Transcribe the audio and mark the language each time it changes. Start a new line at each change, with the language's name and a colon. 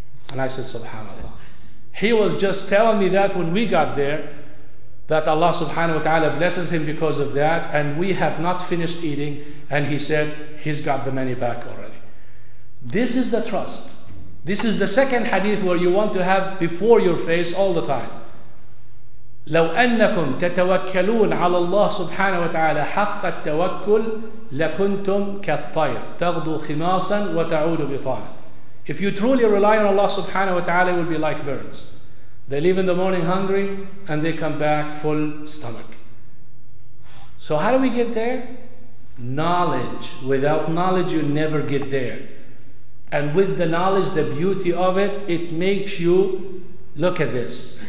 English: And I said, subhanAllah. He was just telling me that when we got there, that Allah subhanahu wa ta'ala blesses him because of that. And we have not finished eating. And he said, he's got the money back already. This is the trust. This is the second hadith where you want to have before your face all the time.
Arabic: لو أنكم تتوكلون على الله سبحانه وتعالى حق التوكل لكنتم كالطير تغدو خماسا وتعود بطانا.
English: If you truly rely on Allah subhanahu wa ta'ala, it will be like birds. They leave in the morning hungry and they come back full stomach. So how do we get there? Knowledge. Without knowledge you never get there. And with the knowledge, the beauty of it, it makes you look at this.